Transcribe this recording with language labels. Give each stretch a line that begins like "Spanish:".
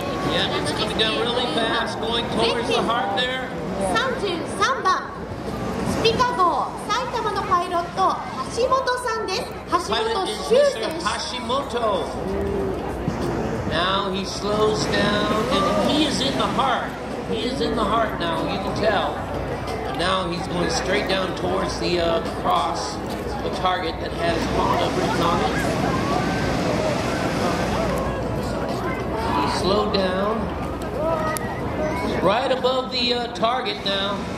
English: Yeah, it's coming down really fast, going towards the heart there.
Japanese: 33番スピカ号埼玉のパイロット橋本さんです橋本修です
English: 橋本 Now he slows down and he is in the heart he is in the heart now you can tell now he's going straight down towards the cross the target that has Honda written on it he slowed downRight above the target now.